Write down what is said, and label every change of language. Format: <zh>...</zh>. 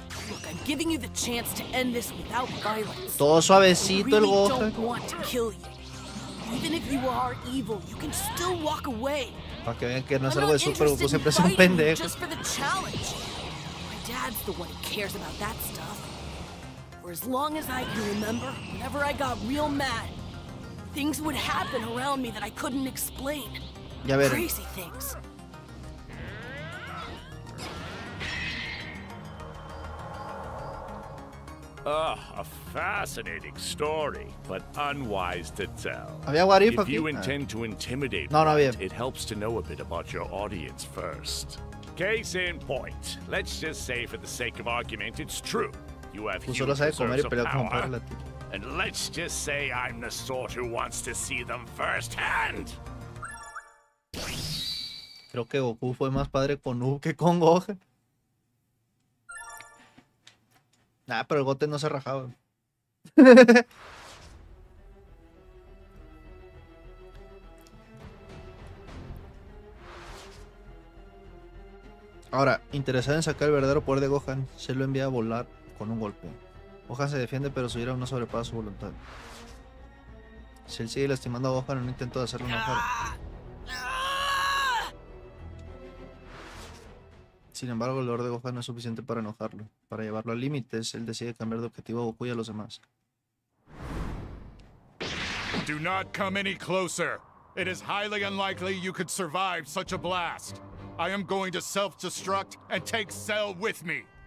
<en>Look, I'm giving you the chance to end this without violence.</en> <es>Todo suavecito el Gohan.</es> <en>I really don't want to kill you. Even if you are evil, you can still walk away.</en> <es>Para que vean que no es algo de super, Goku siempre es un pendejo.</es> <en>Just for the challenge. My dad's the one who cares about that stuff. For as long as I can remember, whenever I got real mad, things would happen around me that I couldn't explain.</en> <es>Ya ver.</es> <en>Crazy things. Ah, a fascinating story, but unwise to tell.</en> <es>Había Warif aquí.</es> <en>If you intend to intimidate,</en> <es>no, no había.</es> <en>It helps to know a bit about your audience first. Case in point, let's just say for the sake of argument, it's true. You have power, and let's just say I'm the sort who wants to see them firsthand.</en> <es>Creo que Goku fue más padre con Ub que con Gohan. Nah, pero el Goten no se rajaba. Ahora, interesado en sacar el verdadero poder de Gohan, se lo envía a volar con un golpe. Gohan se defiende, pero su ira no sobrepasa su voluntad. Si él sigue lastimando a Gohan en un intento de hacerlo mejor. Sin embargo, el dolor de Gohan no es suficiente para enojarlo. Para llevarlo a límites, él decide cambiar de objetivo a Goku y a los demás.</es> <en>Do not come any closer. It is highly unlikely you could survive such a blast. I am going to self-destruct and take Cell with me.</en>